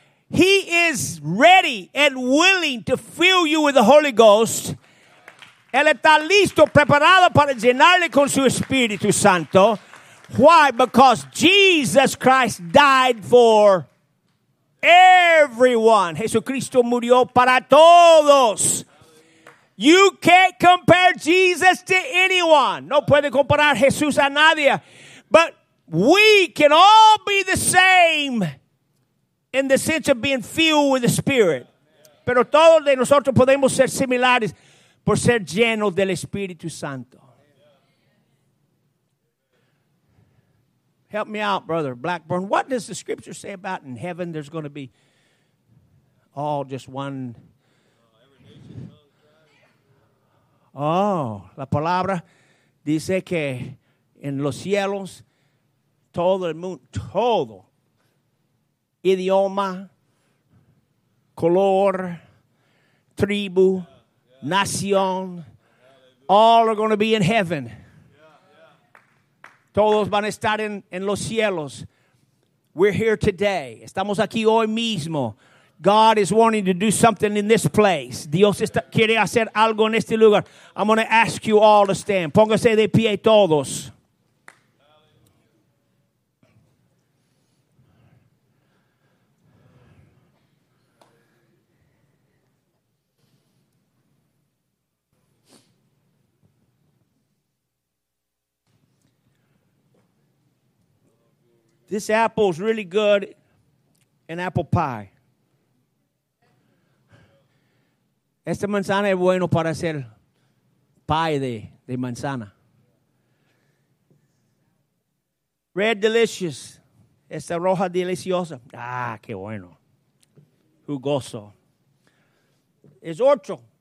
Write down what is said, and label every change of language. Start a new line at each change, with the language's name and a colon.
English: He is ready and willing to fill you with the Holy Ghost.
Spanish: Él está listo, preparado para llenarle con su Espíritu Santo.
English: Why? Because Jesus Christ died for everyone.
Spanish: Jesucristo murió para todos.
English: You can't compare Jesus to anyone.
Spanish: No puede comparar Jesús a nadie.
English: But we can all be the same in the sense of being filled with the Spirit.
Spanish: Pero todos de nosotros podemos ser similares por ser llenos del Espíritu Santo.
English: Help me out, Brother Blackburn. What does the Scripture say about in heaven there's going to be all just one?
Spanish: Oh, la palabra dice que en los cielos todo el mundo, todo idioma, color, tribu, nación,
English: all are going to be in heaven.
Spanish: Todos van a estar en los cielos.
English: We're here today.
Spanish: Estamos aquí hoy mismo.
English: God is wanting to do something in this place.
Spanish: Dios está, quiere hacer algo en este lugar.
English: I'm going to ask you all to stand.
Spanish: Póngase de pie todos.
English: This apple is really good in apple pie.
Spanish: Esta manzana es bueno para hacer pie de manzana.
English: Red delicious.
Spanish: Esta roja deliciosa. Ah, qué bueno. Jugoso. Es otro.